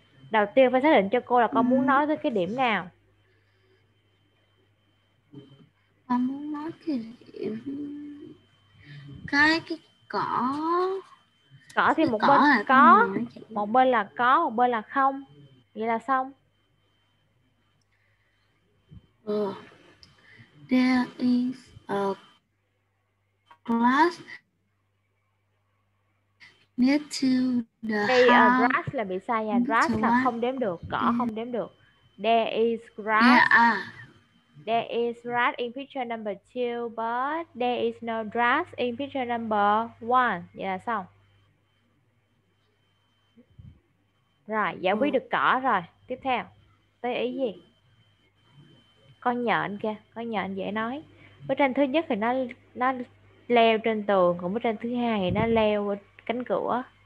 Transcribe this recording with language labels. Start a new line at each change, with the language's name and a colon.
Vietnamese: Đầu tiên phải xác định cho cô là con muốn nói tới cái điểm nào. Con muốn nói cái điểm cái cỏ. Cỏ thì một bên có, một bên là có, một bên là không. Vậy là xong.
English: There is a grass near to the house.
Vietnamese: Grass là bị sai nha. Grass là không đếm được, cỏ không đếm được.
English: There is grass. There is grass in picture number 2, but there is no grass in picture number 1.
Vietnamese: Vậy là xong. Rồi, giải quyết được cỏ rồi. Tiếp theo, tới ý gì? Con nhện kìa, con nhện dễ nói. Bức tranh thứ nhất thì nó leo trên tường, còn bức tranh thứ hai thì nó leo cánh cửa.